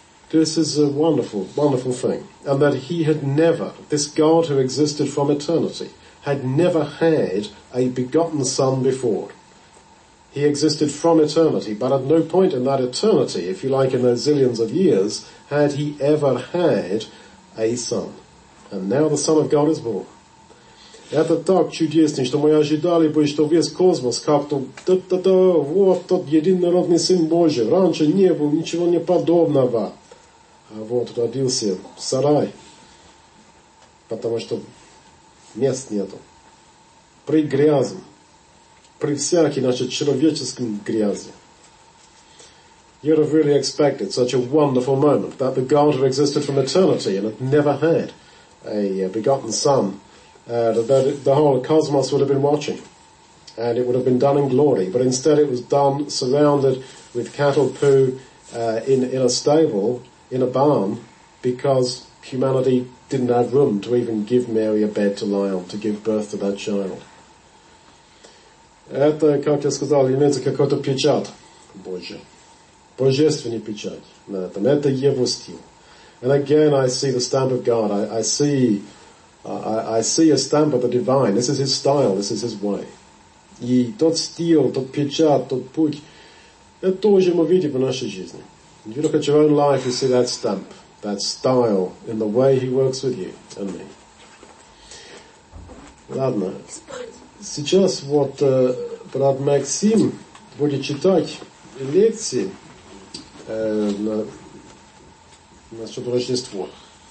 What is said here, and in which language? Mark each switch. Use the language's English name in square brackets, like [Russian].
[English] This is a wonderful, wonderful thing. And that he had never, this God who existed from eternity, had never had a begotten son before. He existed from eternity, but at no point in that eternity, if you like, in those zillions of years, had he ever had a son. And now the Son of God is born. [Russian] Это так чудесно, что мы ожидали бы, что весь космос как-то, да-да-да, вот тот единородный Сын Божий. Раньше не было ничего не подобного. А вот родился сарай, потому что мест нету. При грязи, при всякой нашей человеческой грязи. [English] You'd have really expected such a wonderful moment that the God who existed from eternity and had never had a begotten son, that the whole cosmos would have been watching and it would have been done in glory. But instead it was done surrounded with cattle poo in a stable, in a barn, because humanity didn't have room to even give Mary a bed to lie on, to give birth to that child. [Russian] Это, как я сказал, имеется какой-то печат Божий. Божественный печать на этом. Это его стиль. [English] And again I see the stamp of God. I see a stamp of the divine. This is his style, this is his way. [Russian] И тот стиль, тот печать, тот путь, это тоже мы видим в нашей жизни. [English] If you look at your own life, you see that stamp, that style, in the way he works with you and me. [Russian] Ладно. Сейчас вот брат Максим будет читать лекции на что-то Рождество.